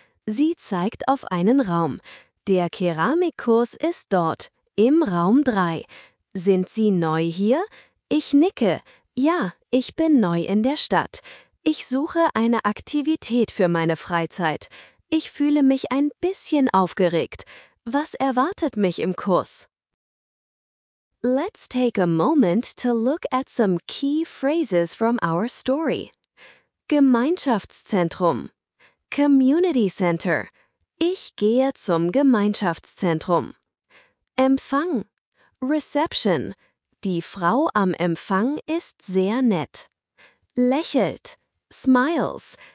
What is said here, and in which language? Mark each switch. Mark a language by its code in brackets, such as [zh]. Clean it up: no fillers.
[de] Sie zeigt auf einen Raum. Der Keramikkurs ist dort, im Raum 3. Sind Sie neu hier? Ich nicke. Ja, ich bin neu in der Stadt. Ich suche eine Aktivität für meine Freizeit. Ich fühle mich ein bisschen aufgeregt. Was erwartet mich im Kurs? [en] Let's take a moment to look at some key phrases from our story. [de] Gemeinschaftszentrum. [en] Community Center. [de] Ich gehe zum Gemeinschaftszentrum. Empfang. Reception. Die Frau am Empfang ist sehr nett. Lächelt. Smiles.